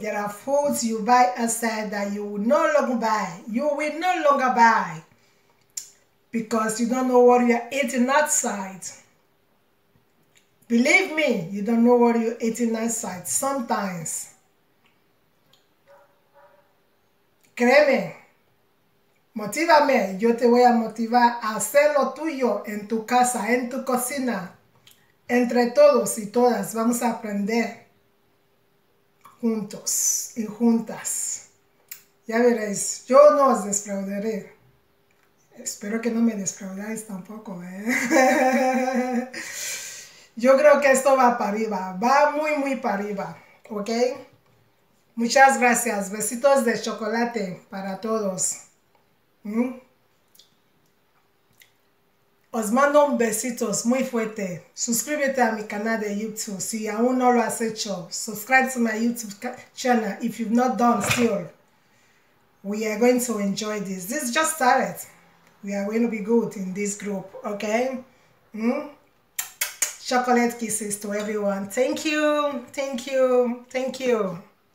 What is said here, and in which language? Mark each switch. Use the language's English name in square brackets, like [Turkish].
[English] There are foods you buy outside that you will no longer buy. You will no longer buy because you don't know what you're eating outside. Believe me, you don't know what you're eating outside. Sometimes [Spanish] Créeme, motívame, yo te voy a motivar a hacer lo tuyo en tu casa, en tu cocina. Entre todos y todas vamos a aprender juntos y juntas. Ya veréis, yo no os defraudaré. Espero que no me defraudáis tampoco, ¿eh? Yo creo que esto va para arriba, va muy, muy para arriba, ¿ok? Muchas gracias. Besitos de chocolate para todos. Os mando un besitos muy fuerte. Suscríbete a mi canal de YouTube si aún no lo has hecho. [English] Subscribe to my YouTube channel if you've not done still. We are going to enjoy this. This just started. We are going to be good in this group, okay? Chocolate kisses to everyone. Thank you. Thank you. Thank you.